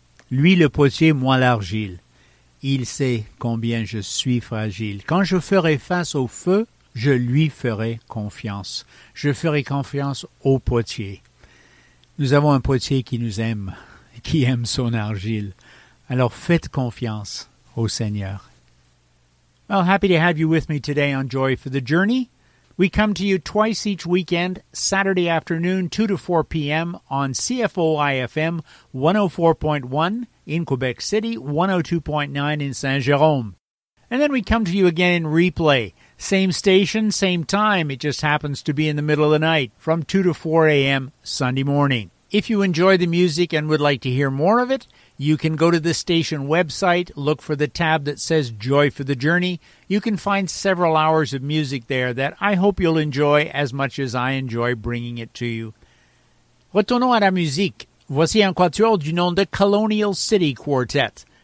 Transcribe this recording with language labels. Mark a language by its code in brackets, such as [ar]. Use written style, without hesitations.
[fr] Lui le potier, moi l'argile. Il sait combien je suis fragile. Quand je ferai face au feu, je lui ferai confiance. Je ferai confiance au potier. » Nous avons un potier qui nous aime, qui aime son argile. Alors faites confiance au Seigneur. [en] Well, happy to have you with me today on Joy for the Journey. We come to you twice each weekend, Saturday afternoon, 2 to 4 p.m. on CFOIFM 104.1 in Quebec City, 102.9 in Saint-Jérôme. And then we come to you again in replay. Same station, same time. It just happens to be in the middle of the night from 2 to 4 a.m. Sunday morning. If you enjoy the music and would like to hear more of it, you can go to the station website, look for the tab that says Joy for the Journey. You can find several hours of music there that I hope you'll enjoy as much as I enjoy bringing it to you. [fr] Retournons à la musique. Voici un quatuor du nom de Colonial City Quartet.